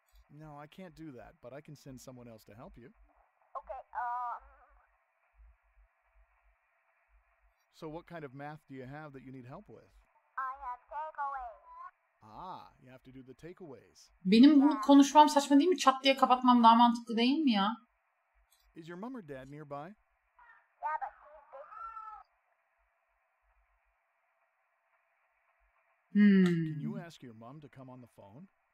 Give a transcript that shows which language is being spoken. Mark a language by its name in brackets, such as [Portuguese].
[English] No, I can't do that, but I can send someone else to help you. Okay, So what kind of math do you have that you need help with? I have takeaways. Ah, you have to do the takeaways. [Turkish] Benim bunu konuşmam saçma değil mi? Çat diye kapatmam daha mantıklı değil mi ya? [English] Is your mom or dad nearby? Yeah, but she's busy. Can you ask your mom to come on the phone?